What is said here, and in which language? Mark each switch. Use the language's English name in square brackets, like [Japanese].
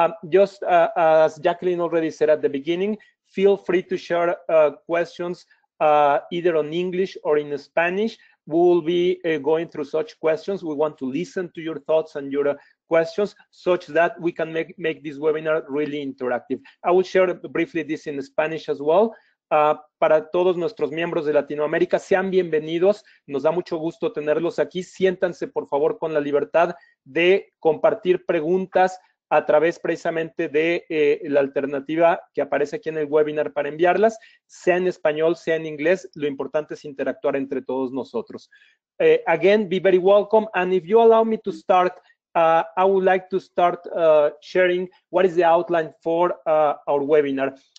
[English] Just as Jacqueline already said at the beginning, feel free to share questions either in English or in Spanish. We will be going through such questions. We want to listen to your thoughts and your questions such that we can make this webinar really interactive. I will share briefly this in Spanish as well. [Spanish] Para todos nuestros miembros de Latinoamérica, sean bienvenidos. Nos da mucho gusto tenerlos aquí. Siéntanse, por favor, con la libertad de compartir preguntas a través precisamente de la alternativa que aparece aquí en el webinar para enviarlas, sea en español, sea en inglés. Lo importante es interactuar entre todos nosotros. [English] Again, be very welcome. And if you allow me to start, I would like to start sharing what is the outline for our webinar.